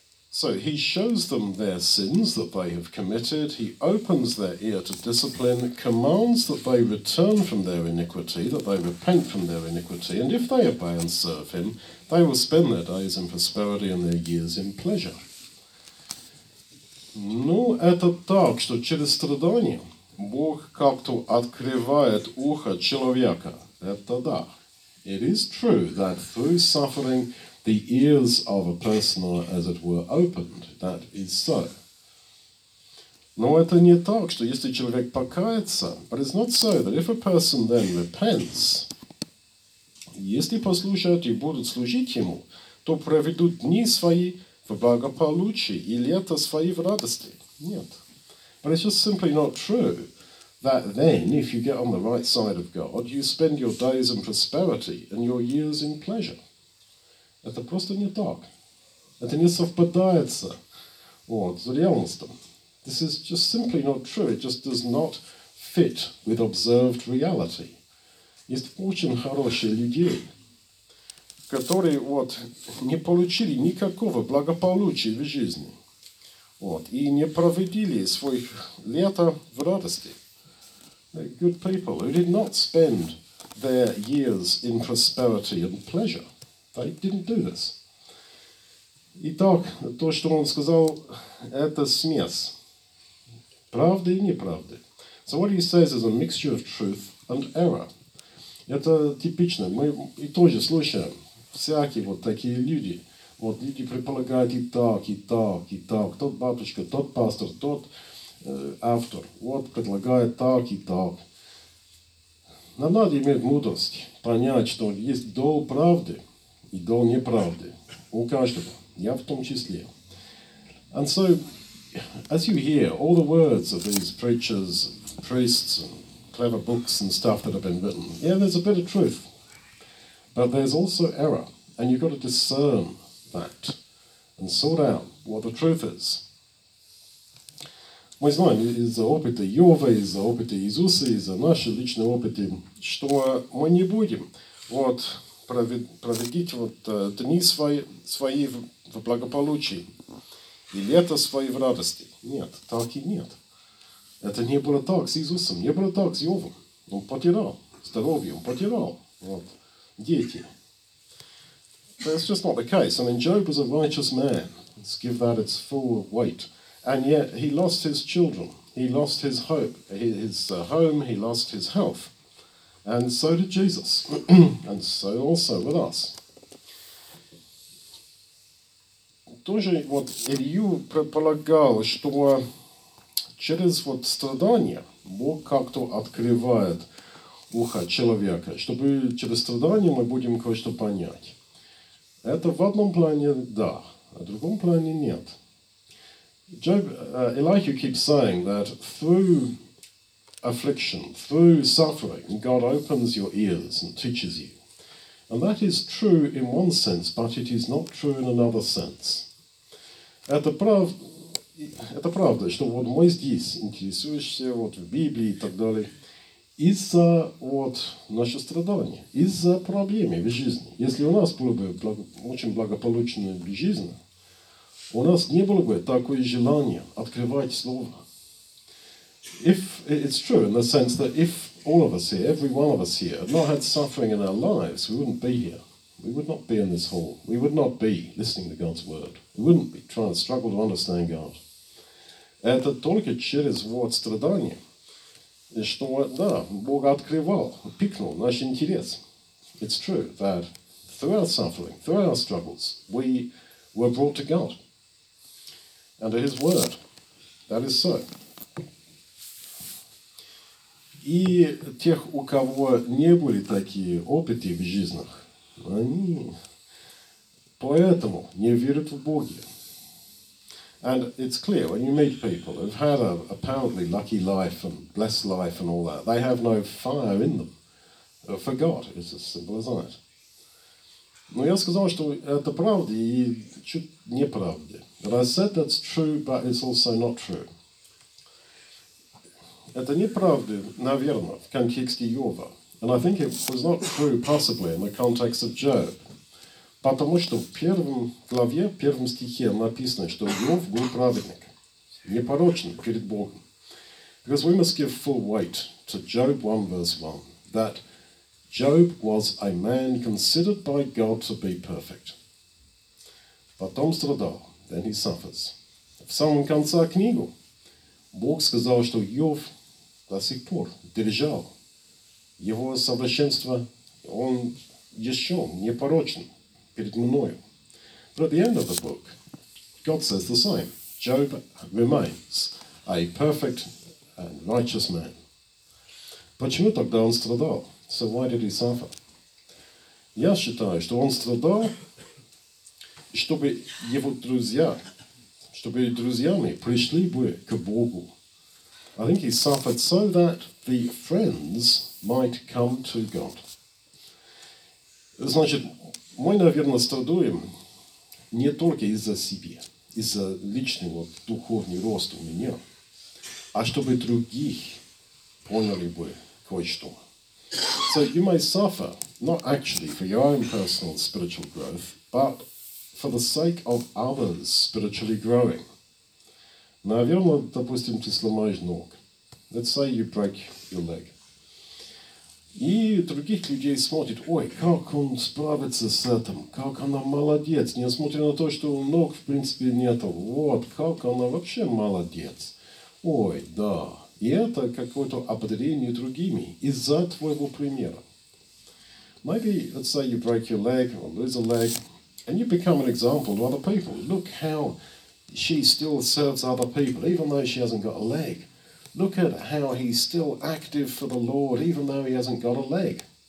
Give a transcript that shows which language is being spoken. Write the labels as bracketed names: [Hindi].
[English] So he shows them their sins that they have committed. He opens their ear to discipline, commands that they return from their iniquity, that they repent from their iniquity, and if they obey and serve him, they will spend their days in prosperity and their years in pleasure. [Russian] Ну, это так, что через страдания Бог как-то открывает ухо человека. Это да. [English] It is true that through suffering, the ears of a person are, as it were, opened. That is so. [Russian] Но это не так, что если человек покается, [English] but it's not so that if a person then repents, [Russian] если послушают и будут служить ему, то проведут дни свои в благополучии и лето свои в радости. Нет. [English] But it's just simply not true that then, if you get on the right side of God, you spend your days in prosperity and your years in pleasure. [Russian] Это просто не так. Это не совпадается вот, с реальностью. [English] This is just simply not true. It just does not fit with observed reality. [Russian] Есть очень хорошие люди, которые вот, не получили никакого благополучия в жизни. Вот, и не проводили своих лет в радости. [English] They're good people who did not spend their years in prosperity and pleasure. They didn't do this. [Russian] Итак, то, что он сказал, это смесь правды и неправды. [English] So what he says is a mixture of truth and error. [Russian] Это типично. Мы и тоже слушаем всякие вот такие люди. Вот люди предполагают и так, и так, и так. Тот батюшка, тот пастор, тот автор. Вот предлагает так и так. Нам надо иметь мудрость понять, что есть дол правды. И до неправды. У каждого. Я в том числе. [English] And so, as you hear all the words of these preachers, priests, and clever books and stuff that have been written, yeah, there's a bit of truth. But there's also error. And you've got to discern that. And sort out what the truth is. [Russian] Мы знаем из опыта Йова, из опыта Иисуса, из нашего личного опыта, что мы не будем. Вот. Проведите вот дни свои в благополучии и лето свои в радости. Нет, так и нет. Это не было так с Иисусом, не было так с Иовом. Он потерял здоровье, он потерял вот, дети. [English] But it's just not the case. I mean, Job was a righteous man. Let's give that its full weight. And yet he lost his children. He lost his hope, his home, he lost his health. And so did Jesus, and so also with us. [Russian] Тоже вот Илью предполагал, что через вот страдания Бог как-то открывает ухо человека, чтобы через страдания мы будем кое-что понять. Это в одном плане да, а в другом плане нет. [English] Elihu keeps saying that through affliction, through suffering, God opens your ears and teaches you. And that is true in one sense, but it is not true in another sense. [Russian] Это правда, что вот мы здесь интересуешься вот в Библии и так далее из-за вот наших страданий, из-за проблем в жизни. Если у нас была бы очень благополучная жизнь, у нас не было бы такое желание открывать Слово. [English] If it's true in the sense that if all of us here, every one of us here, had not had suffering in our lives, we wouldn't be here. We would not be in this hall. We would not be listening to God's word. We wouldn't be trying to struggle to understand God. [Russian] Это только через вот страдания, что да, Бог открывал, пикнул наш интерес. [English] It's true that through our suffering, through our struggles, we were brought to God and to His word. That is so. [Russian] И тех, у кого не были такие опыты в жизнях, они поэтому не верят в Бога. [English] And it's clear when you meet people who've had an apparently lucky life and blessed life and all that, they have no fire in them. For God, it's as simple as that. [Russian] Но я сказал, что это правда и чуть неправда. [English] But I said that's true, but it's also not true. [Russian] Это неправда, наверное, в контексте Иова. [English] And I think it was not true, possibly, in the context of Job. [Russian] Потому что в первом главе, в первом стихе написано, что Иов был праведник, непорочен перед Богом. [English] Because we must give full weight to Job 1, verse 1, that Job was a man considered by God to be perfect. [Russian] Потом страдал, [English] then he suffers. [Russian] В самом конце книги Бог сказал, что Иов до сих пор держал его совершенство, он еще непорочен. Перед мною. [English] But at the end of the book, God says the same. Job remains a perfect and righteous man. [Russian] Почему тогда он страдал? [English] So why did he suffer? [Russian] Я считаю, что он страдал, чтобы его друзья, чтобы друзьями пришли бы к Богу. [English] I think he suffered so that the friends might come to God. [Russian] Значит, мы, наверное, страдуем не только из-за себя, из-за личного духовного роста у меня, а чтобы других поняли бы кое-что. [English] So you may suffer, not actually for your own personal spiritual growth, but for the sake of others spiritually growing. [Russian] Наверное, допустим, ты сломаешь ногу. [English] Let's say you break your leg. [Russian] И других людей смотрят, ой, как он справится с этим, как она молодец, несмотря на то, что ног в принципе нету, вот, как она вообще молодец. Ой, да, и это какое-то ободрение другими из-за твоего примера. [English] Maybe, let's say you break your leg or lose a leg, and you become an example to other people. Look how she still serves other people, even though she hasn't got a leg. Look at how he's still active for the Lord, even though he hasn't got a leg.